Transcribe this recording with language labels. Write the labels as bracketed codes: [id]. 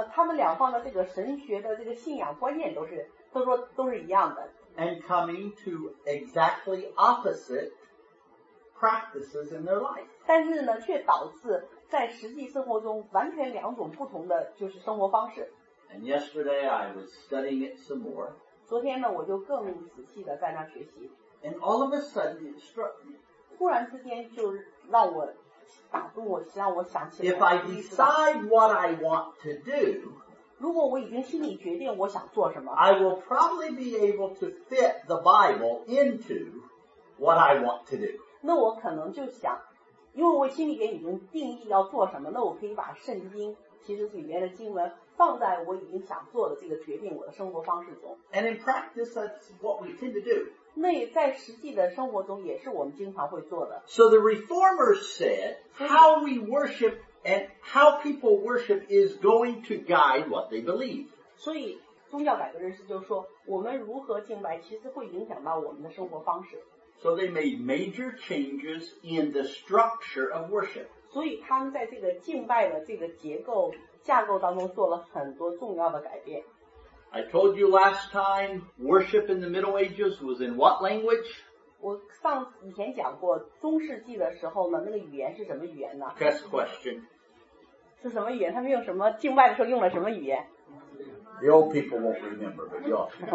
[zh] 他们两方的这个神学的这个信仰观念都是一样的 [en] And coming to exactly opposite practices in their life [zh] 但是呢却导致在实际生活中完全两种不同的就是生活方式 [en] And yesterday I was studying it some more [zh] 昨天呢我就更仔细的在那学习 [en] And all of a sudden it struck me [zh] 突然之间就让我打动我让我想起来 [en] If I decide what I want to do [zh] 如果我已经心里决定我想做什么 [en] I will probably be able to fit the Bible into what I want to do [zh] 那我可能就想因为我心里边已经定义要做什么那我可以把圣经其实里面的经文放在我已经想做的这个决定我的生活方式中 [en] And in practice that's what we tend to do [zh] 那在实际的生活中也是我们经常会做的 [en] So the reformers said how we worship and how people worship is going to guide what they believe [zh] 所以宗教改革人士就说我们如何敬拜其实会影响到我们的生活方式 [en] So they made major changes in the structure of worship [zh] 所以他们在这个敬拜的这个结构架构当中做了很多重要的改变。 [en] I told you last time, worship in the Middle Ages was in what language? [zh] 我上以前讲过，中世纪的时候呢，那个语言是什么语言呢 [en] ？Guess question. [zh] 是什么语言？他们用什么敬拜的时候用了什么语言？ [en] The old people won't remember, but y'all.